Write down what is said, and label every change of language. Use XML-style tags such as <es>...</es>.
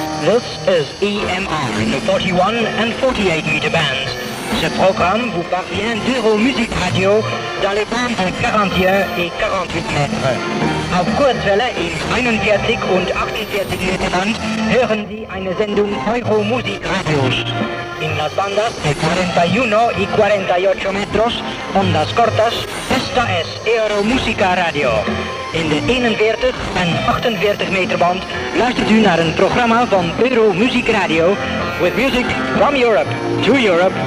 <en>This is EMR in the 41 and 48 meter bands.</en> <fr>Ce programme vous parvient d'Euro Musique Radio dans les bandes de 41 et 48 mètres.</fr> <de>Auf Kurzwelle in 41 und 48 meter band hören Sie eine Sendung Euro Musique Radio.</de> <es>In las bandas de 41 y 48 metros, ondas cortas, esta es Euro Musique Radio.</es> <nl>In de 41 en 48 meter band luistert u naar een programma van Euro Music Radio</nl> <en>with music from Europe to Europe.</en>